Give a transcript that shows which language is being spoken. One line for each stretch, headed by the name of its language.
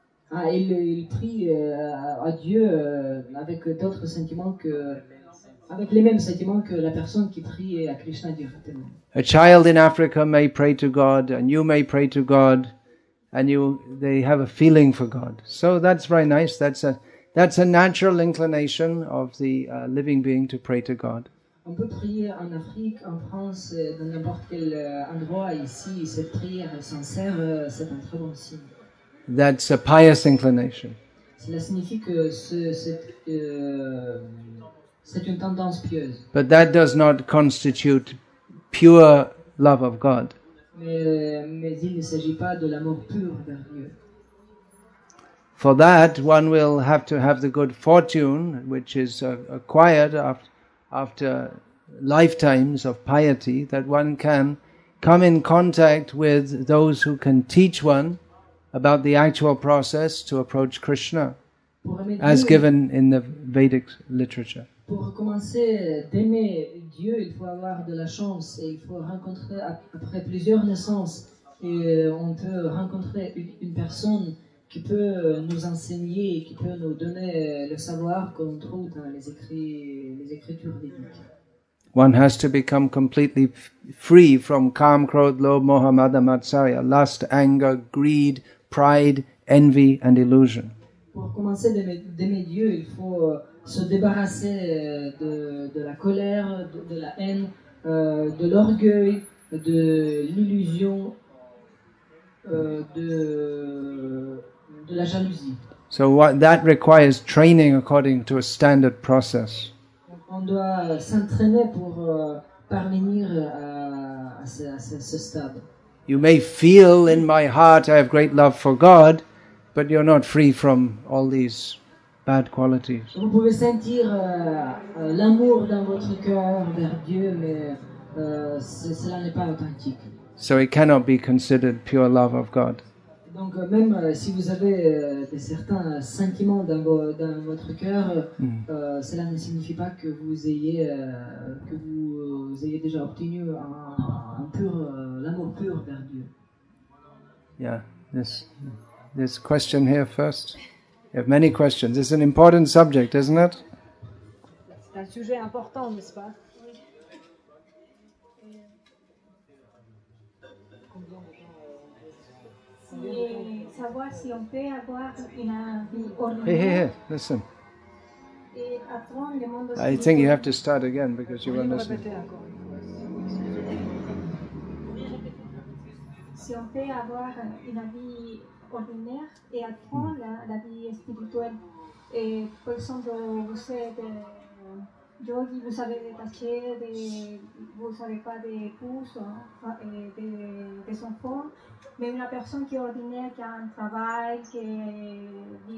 French: Ah, il prie à Dieu avec d'autres sentiments que. Avec les mêmes sentiments que la personne qui prie à Krishna directement.
English: A child in Africa may pray to God, and you may pray to God, and they have a feeling for God. So that's very nice. That's a natural inclination of the living being to pray to God.
French: On peut prier en Afrique, en France, dans n'importe quel endroit ici. Cette prière sincère, c'est un très bon signe.
English: That's a pious inclination.
French: Cela signifie que c'est une tendance pieuse.
English: But that does not constitute pure love of God.
French: Mais il ne s'agit pas de l'amour pur vers Dieu.
English: For that, one will have to have the good fortune, which is acquired after lifetimes of piety, that one can come in contact with those who can teach one about the actual process to approach Krishna, as given in the Vedic literature.
French: Pour commencer d'aimer Dieu, il faut avoir de la chance et il faut rencontrer après plusieurs naissances et on peut rencontrer une personne qui peut nous enseigner et qui peut nous donner le savoir qu'on trouve dans les écritures védiques.
English: One has to become completely free from kam, krodh, lobh, moha, mada, matsarya, lust, anger, greed, pride, envy and illusion.
French: Pour commencer d'aimer Dieu, il faut se débarrasser de la colère, de la haine, de l'orgueil, de l'illusion, de la jalousie.
English: So that requires training according to a standard process.
French: On doit s'entraîner pour parvenir à ce stade.
English: You may feel in my heart I have great love for God, but you're not free from all these bad qualities.
French: Vous pouvez sentir l'amour dans votre cœur vers Dieu, mais cela n'est pas authentique.
English: So it cannot be considered pure love of God.
French: Donc même si vous avez certains sentiments dans votre cœur, cela ne signifie pas que vous ayez déjà obtenu l'amour pur vers Dieu.
English: Yeah, this question here first. You have many questions. It's an important subject, isn't it?
French: C'est un sujet important, n'est-ce pas? Et savoir si on peut avoir une vie ordinaire.
English: Hey, listen.
French: Et apprendre le monde spirituel.
English: I think you have to start again because you weren't listening.
French: Si on peut avoir une vie ordinaire et apprendre la vie spirituelle. Et par exemple, vous êtes yogi, vous savez détacher, vous ne savez pas des pouces, des enfants. Mais une personne qui est ordinaire, qui a un travail, qui vit